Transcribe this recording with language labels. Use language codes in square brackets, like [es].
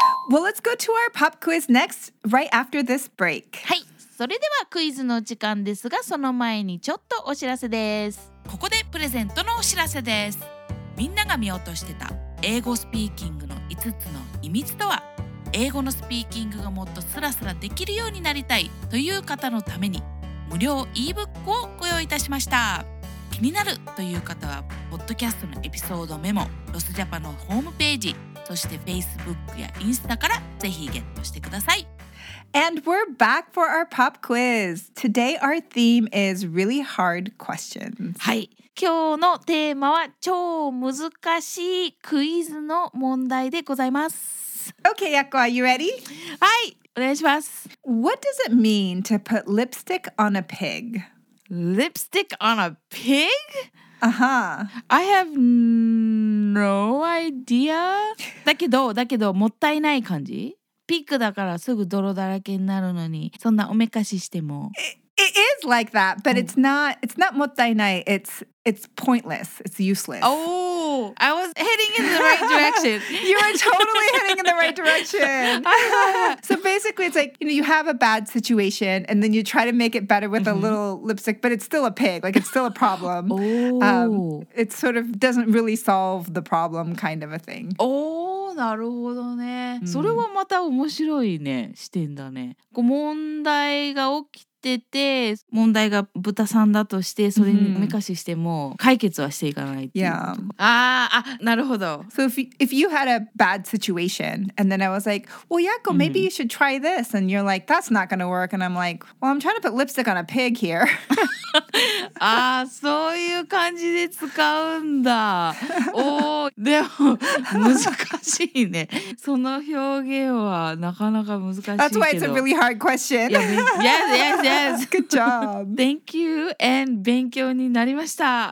[en] Well, let's go to our pop quiz next, right after this break. [ja] はい、それではクイズの時間ですが、その前にちょっとお知らせです。ここでプレゼントのお知らせです。みんなが見落としてた英語スピーキングの5つの秘密とは、英語のスピーキングがもっとスラスラできるようになりたいという方のために無料 e-book をご用意いたしました。気になるという方はポッドキャストのエピソードメモ、ロスジャパのホームページ、そして Facebook やインスタからぜひゲットしてください。 [en] And we're back for our pop quiz. Today our theme is really hard questions. [ja] はい、今日のテーマは超難しいクイズの問題でございます。 [en] Okay, Yako, are you ready? [ja] はい、お願いします。 [en] What does it mean to put lipstick on a pig? Lipstick on a pig? Uh-huh. I have no idea. [ja] だけど、もったいない感じ? ピッグだからすぐ泥だらけになるのに、そんなおめかししても。 [en] It, it is! is like that, but it's not, it's not もったいない. It's pointless. It's useless. Oh, I was heading in the right direction. You are totally heading in the right direction. So basically, it's like, you know, you have a bad situation and then you try to make it better with a little lipstick, but it's still a pig. Like, it's still a problem. Oh. It sort of doesn't really solve the problem kind of a thing. [ja] Oh, なるほどね。それはまた面白いね、視点だね。こう問題が起きてて、問題が豚さんだとして、それにおめかししても解決はしていかないっていうこと。 [en] Yeah. [ja] ああ、なるほど。 [en] So if you had a bad situation, and then I was like, well, Yakko, maybe you should try this. And you're like, that's not gonna work. And I'm like, well, I'm trying to put lipstick on a pig here. [ja] ああ、そういう感じで使うんだ。おお、でも難しいね。その表現はなかなか難しいけど。 [en] That's why it's a really hard question. Yes, yes, yes. Good job. Thank you and [ja] 勉強になりました。